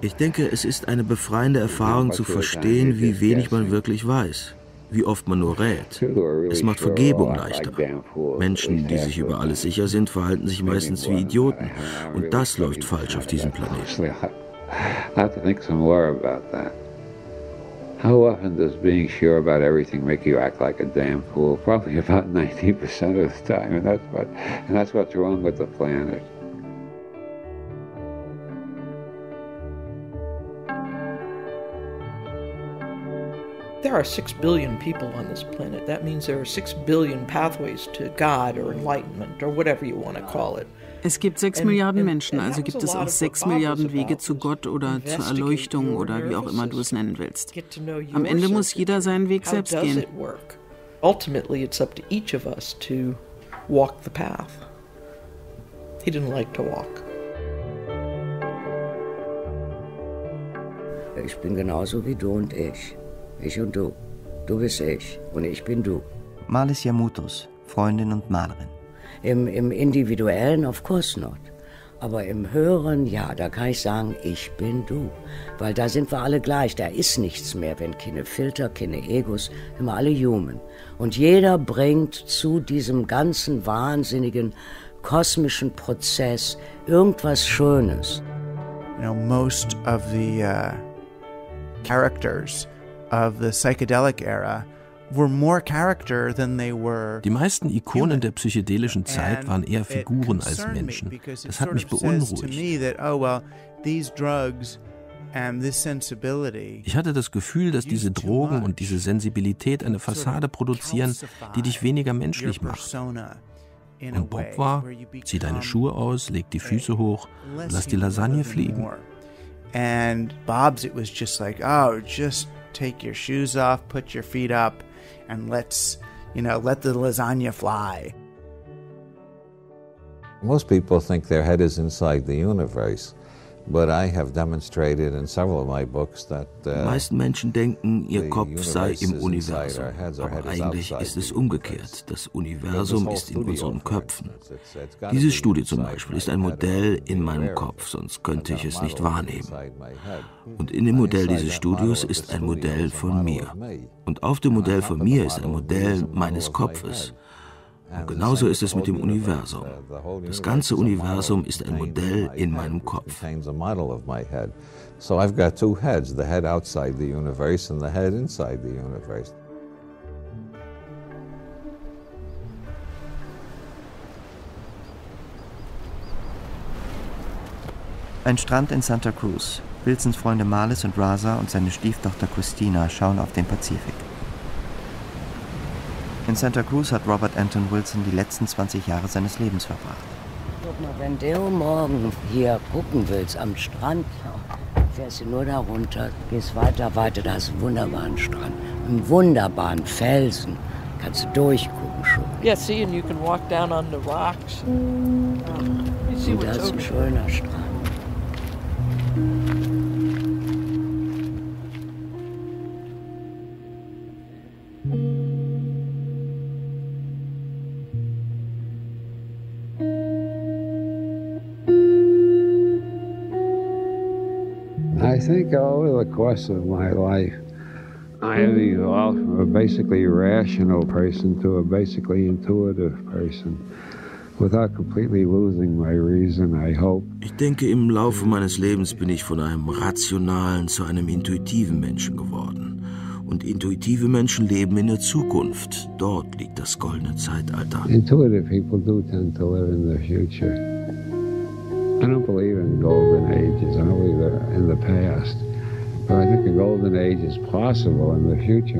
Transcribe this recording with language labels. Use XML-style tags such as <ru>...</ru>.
<de>Ich denke, es ist eine befreiende Erfahrung zu verstehen, wie wenig man wirklich weiß, wie oft man nur rät. Es macht Vergebung leichter. Menschen, die sich über alles sicher sind, verhalten sich meistens wie Idioten, und das läuft falsch auf diesem Planeten.</de> <en>I have to think some more about that. How often does being sure about everything make you act like a damn fool? Probably about 90% of the time, and that's what's wrong with the planet. There are 6 billion people on this planet. That means there are 6 billion pathways to God or enlightenment or whatever you want to call it.</en> <de>Es gibt 6 Milliarden Menschen, also gibt es auch 6 Milliarden Wege zu Gott oder zur Erleuchtung oder wie auch immer du es nennen willst. Am Ende muss jeder seinen Weg selbst gehen.</de> <en>Ultimately it's up to each of us to walk the path. He didn't like to walk.</en> <de>Ich bin genauso wie du und ich. Ich und du. Du bist ich und ich bin du. Malis Yamutos, Freundin und Malerin. Im Individuellen,</de> <en>of course not.</en> <de>Aber im Höheren, ja, da kann ich sagen, ich bin du. Weil da sind wir alle gleich, da ist nichts mehr, wenn keine Filter, keine Egos, sind wir alle human. Und jeder bringt zu diesem ganzen wahnsinnigen kosmischen Prozess irgendwas Schönes.</de> <en>You know, most of the characters of the psychedelic era were more character than they were.</en> <de>Die meisten Ikonen der psychedelischen Zeit waren eher Figuren als Menschen. Das hat mich beunruhigt. Ich hatte das Gefühl, dass diese Drogen und diese Sensibilität eine Fassade produzieren, die dich weniger menschlich macht. Und Bob war: Zieh deine Schuhe aus, leg die Füße hoch, lass die Lasagne fliegen.</de> <en>And Bob's, it was just like, oh, just take your shoes off, put your feet up. And let's, you know, let the lasagna fly. Most people think their head is inside the universe, but I have demonstrated in several of my books that.</en> <de>Meisten Menschen denken, ihr Kopf sei im Universum, aber eigentlich ist es umgekehrt. Das Universum ist in unseren Köpfen. Diese Studie zum Beispiel ist ein Modell in meinem Kopf, sonst könnte ich es nicht wahrnehmen. Und in dem Modell dieses Studios ist ein Modell von mir. Und auf dem Modell von mir ist ein Modell meines Kopfes. Und genauso ist es mit dem Universum. Das ganze Universum ist ein Modell in meinem Kopf.</de> <en>So I've got two heads, the head outside the universe and the head inside the universe.</en> <de>Ein Strand in Santa Cruz. Wilsons Freunde Marlis und Raza und seine Stieftochter Christina schauen auf den Pazifik. In Santa Cruz hat Robert Anton Wilson die letzten 20 Jahre seines Lebens verbracht. Guck mal, wenn du morgen hier gucken willst am Strand, fährst du nur da runter, gehst weiter, weiter, da ist ein wunderbarer Strand, ein wunderbaren Felsen, kannst du durchgucken schon.</de> <en>Yeah, see, and you can walk down on the rocks.</en> <de>Und das ist ein schöner Strand.</de> <en>I think over the course of my life, I have evolved from a basically rational person to a basically intuitive person, without completely losing my reason, I hope.</en> <de>Ich denke, im Laufe meines Lebens bin ich von einem rationalen zu einem intuitiven Menschen geworden. Und intuitive Menschen leben in der Zukunft. Dort liegt das goldene Zeitalter.</de> <en>Intuitive people do tend to live in the future. I don't believe in golden ages. I don't believe in the past. But I think a golden age is possible in the future.</en>